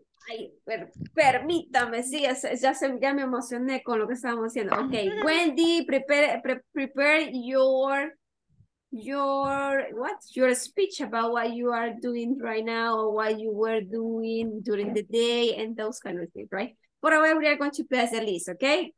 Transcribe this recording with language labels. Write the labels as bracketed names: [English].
[Spanish] Ay, pero permítame, sí, ya me emocioné con lo que estábamos haciendo. [English] Okay, Wendy, prepare your speech about what you are doing right now or what you were doing during the day and those kind of things, right? [Spanish] Por ahora voy a continuar esa lista, okay?